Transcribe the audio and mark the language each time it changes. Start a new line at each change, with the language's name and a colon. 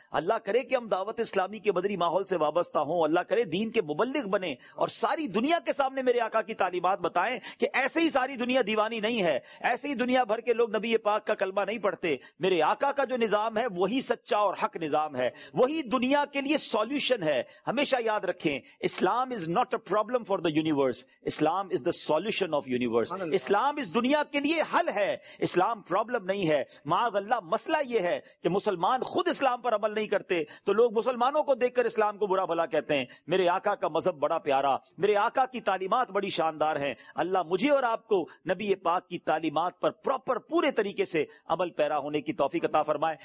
Urdu: اللہ کرے کہ ہم دعوت اسلامی کے مدری ماحول سے وابستہ ہوں, اللہ کرے دین کے مبلغ بنے اور ساری دنیا کے سامنے میرے آقا کی تعلیمات بتائیں کہ ایسے ہی ساری دنیا دیوانی نہیں ہے, ایسے ہی دنیا بھر کے لوگ نبی پاک کا کلمہ نہیں پڑھتے. میرے آقا کا جو نظام ہے وہی سچا اور حق نظام ہے, وہی دنیا کے لیے سولوشن ہے.
English: ہمیشہ یاد رکھیں, اسلام is not a problem for the universe, اسلام is the solution of universe.
Urdu: اسلام اس دنیا کے لیے حل ہے, اسلام پرابلم نہیں ہے. معاذ اللہ مسئلہ یہ ہے کہ مسلمان خود اسلام پر عمل نہیں کرتے تو لوگ مسلمانوں کو دیکھ کر اسلام کو برا بھلا کہتے ہیں. میرے آقا کا مذہب بڑا پیارا, میرے آقا کی تعلیمات بڑی شاندار ہیں. اللہ مجھے اور آپ کو نبی پاک کی تعلیمات پر پراپر پورے طریقے سے عمل پیرا ہونے کی توفیق عطا فرمائے.